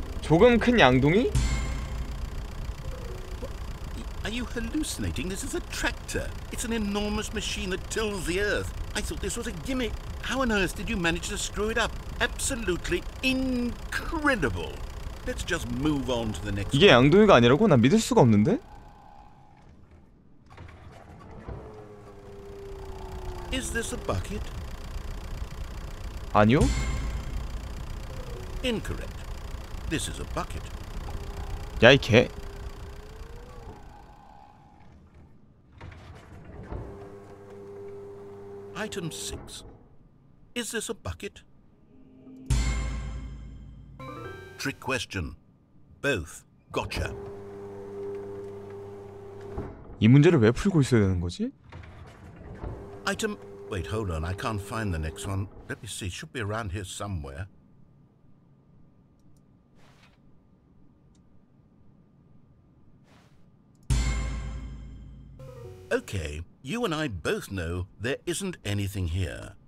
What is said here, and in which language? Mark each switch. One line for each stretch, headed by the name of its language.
English: Are you hallucinating? This is a tractor. It's an enormous machine that tills the earth. I thought this was a gimmick. How on earth did you manage to screw it up? Absolutely incredible. Let's just move on to the next.
Korean: 이게 양동이가 아니라고? 난 믿을 수가 없는데?
English: Is this a bucket?
Korean: 아니요.
English: Incorrect. This is a bucket.
Korean: 야, 이 개.
English: Item 6. Is this a bucket? Trick question. Both. Gotcha.
Korean: 이 문제를 왜 풀고 있어야 되는 거지?
English: Item... Wait, hold on. I can't find the next one. Let me see. It should be around here somewhere. Okay, you and I both know there isn't anything here.